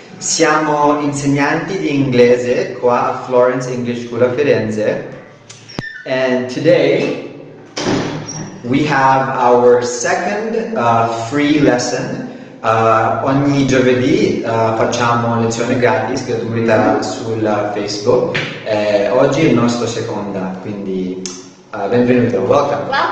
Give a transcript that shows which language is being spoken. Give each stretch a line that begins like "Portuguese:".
Italian: Siamo insegnanti di inglese qua a Florence English School a Firenze.
English: And today we have our second free lesson.
Italian: Ogni giovedì facciamo lezione gratis gratuita sul Facebook. Oggi è il nostro secondo, quindi benvenuto, welcome.